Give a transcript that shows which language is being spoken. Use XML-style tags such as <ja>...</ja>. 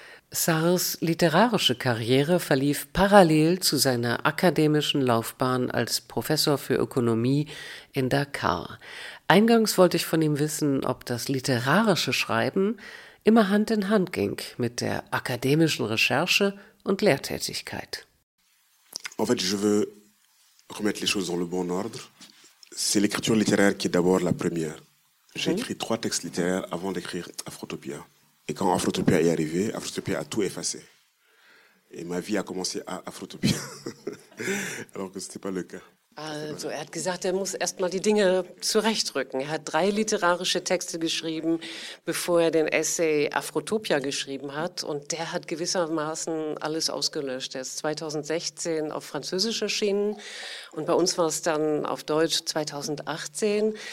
<de>Sarrs literarische Karriere verlief parallel zu seiner akademischen Laufbahn als Professor für Ökonomie in Dakar. Eingangs wollte ich von ihm wissen, ob das literarische Schreiben immer Hand in Hand ging mit der akademischen Recherche und Lehrtätigkeit.</de> <fr>En fait, je veux remettre les choses dans le bon ordre. C'est l'écriture littéraire qui est d'abord la première. J'ai écrit trois textes littéraires avant d'écrire Afrotopia. Et quand Afrotopia est arrivé, Afrotopia a tout effacé. Et ma vie a commencé à Afrotopia. Alors que c'était pas le cas.</fr> <de>Also, er hat gesagt, er muss erstmal die Dinge zurechtrücken. Er hat drei literarische Texte geschrieben, bevor er den Essay Afrotopia geschrieben hat. Und der hat gewissermaßen alles ausgelöscht. Er ist 2016 auf Französisch erschienen. Und bei uns war es dann auf Deutsch 2018.</de>